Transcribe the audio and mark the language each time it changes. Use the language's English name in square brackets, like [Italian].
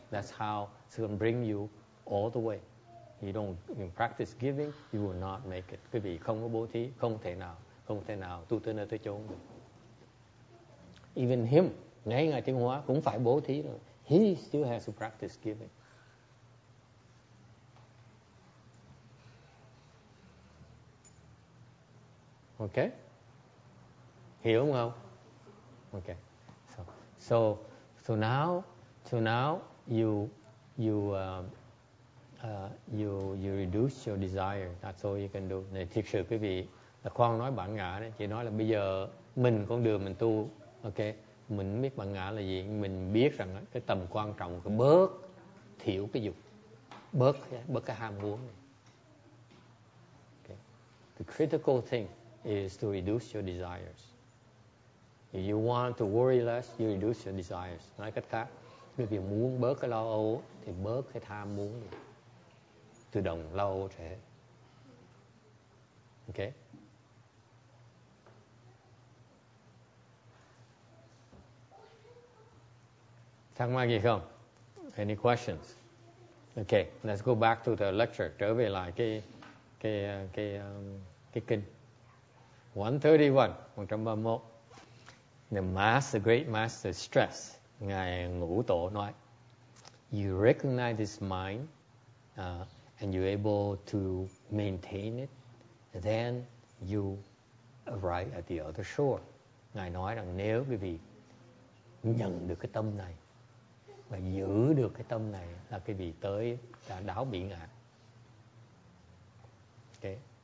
[English] That's how it's going to bring you all the way. You practice giving, you will not make it. [Vietnamese] Quý vị không có bố thí, không thể nào tu tới nơi tới chốn được. [English] Even him, [Vietnamese] ngay ngài Tiên Hóa cũng phải bố thí rồi. [English] He still has to practice giving. Okay? [Vietnamese] Hiểu không? [English] Okay. So now you reduce your desire. That's all you can do. [Vietnamese] Này, thiệt sự quý vị, là Khoan nói bản ngã đấy, chỉ nói là bây giờ mình con đường mình tu, ok, mình biết bản ngã là gì, mình biết rằng cái tầm quan trọng của bớt thiểu cái dục, bớt cái ham muốn này. [English] Okay. The critical thing is to reduce your desires. If you want to worry less, you reduce your desires. [Vietnamese] Nói cách khác, quý vị muốn bớt cái lo âu thì bớt cái tham muốn này. Tự động lâu trẻ. [English] Ok. [Vietnamese] Thắc mắc gì không? [English] Any questions? Ok, let's go back to the lecture. [Vietnamese] Trở về lại cái kinh. [English] 131. The master, great master stress. [Vietnamese] Ngài Ngũ Tổ nói, [English] you recognize this mind, and you're able to maintain it, then you arrive at the other shore. [Vietnamese] Ngài nói rằng nếu quý vị nhận được cái tâm này và giữ được cái tâm này là quý vị tới đã đáo bị ngã. [English] Okay.